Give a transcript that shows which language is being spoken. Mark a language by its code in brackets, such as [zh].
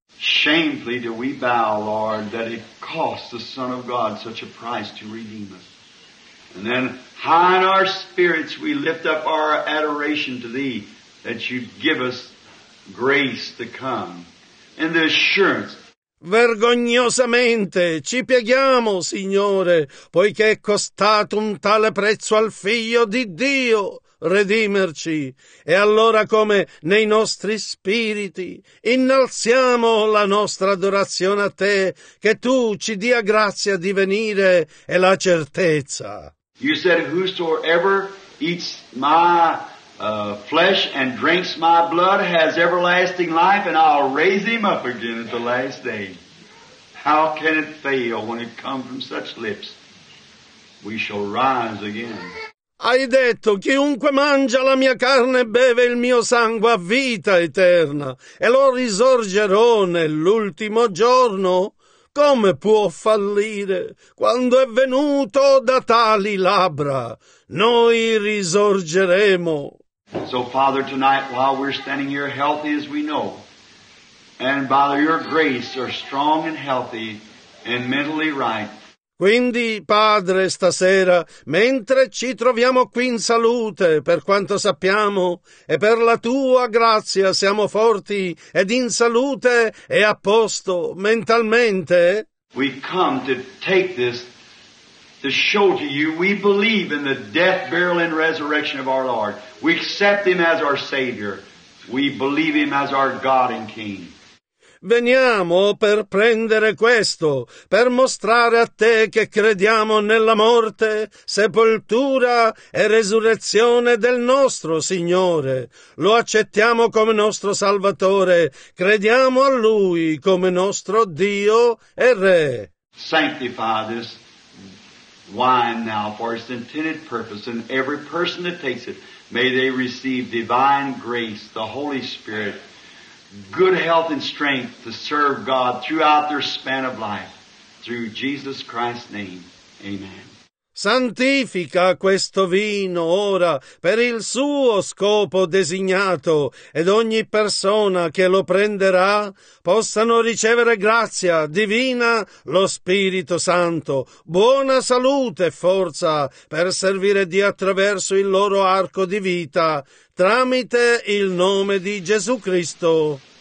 [en] Shamefully do we bow, Lord, that it cost the Son of God such a price to redeem us. And then high in our spirits we lift up our adoration to thee, that you give us grace to come and the assurance. [it] Vergognosamente ci pieghiamo, Signore, poiché è costato un tale prezzo al Figlio di Dio redimerci. E allora, come nei nostri spiriti, innalziamo la nostra adorazione a te, che tu ci dia grazia di venire e la certezza. [en] You said, whosoever eats my flesh and drinks my blood has everlasting life, and I'll raise him up again at the last day. How can it fail when it comes from such lips? We shall rise again. [it] Hai detto, chiunque mangia la mia carne e beve il mio sangue ha vita eterna, e lo risorgerò nell'ultimo giorno. Come può fallire quando è venuto da tali labbra? Noi risorgeremo. [en] So, Father, tonight, while we're standing here healthy as we know, and by your grace are strong and healthy and mentally right. [it] Quindi, Padre, stasera, mentre ci troviamo qui in salute, per quanto sappiamo, e per la Tua grazia siamo forti ed in salute e a posto mentalmente, [en] we come to take this to show to you we believe in the death, burial, and resurrection of our Lord. We accept Him as our Savior. We believe Him as our God and King. [it] Veniamo per prendere questo, per mostrare a te che crediamo nella morte, sepoltura e resurrezione del nostro Signore. Lo accettiamo come nostro Salvatore, crediamo a Lui come nostro Dio e Re. [en] Sanctify this wine now for its intended purpose, and every person that takes it, may they receive divine grace, the Holy Spirit, good health and strength to serve God throughout their span of life. Through Jesus Christ's name. Amen. [it] Santifica questo vino ora per il suo scopo designato, ed ogni persona che lo prenderà possano ricevere grazia divina, lo Spirito Santo, buona salute e forza per servire Dio attraverso il loro arco di vita, tramite il nome di Gesù Cristo.